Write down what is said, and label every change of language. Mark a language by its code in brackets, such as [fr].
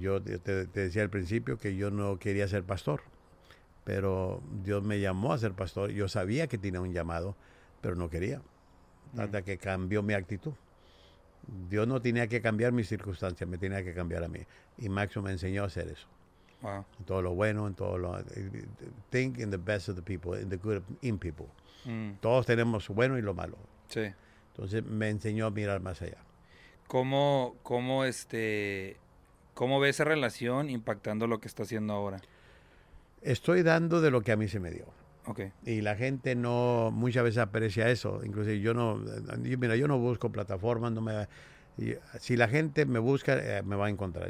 [es] Yo te decía al principio que yo no quería ser pastor. Pero Dios me llamó a ser pastor. Yo sabía que tenía un llamado, pero no quería. Hasta que cambió mi actitud. Dios no tenía que cambiar mis circunstancias, me tenía que cambiar a mí. Y Maxo me enseñó a hacer eso. Wow. En todo lo bueno, en todo lo... [en] Think in the best of the people, in the good in people. [es] Todos tenemos lo bueno y lo malo. Sí. Entonces me enseñó a mirar más allá. ¿Cómo ve esa relación impactando lo que está haciendo ahora? Estoy dando de lo que a mí se me dio. Okay. Y la gente no muchas veces aprecia eso. Incluso yo no busco plataformas. Si la gente me busca, me va a encontrar.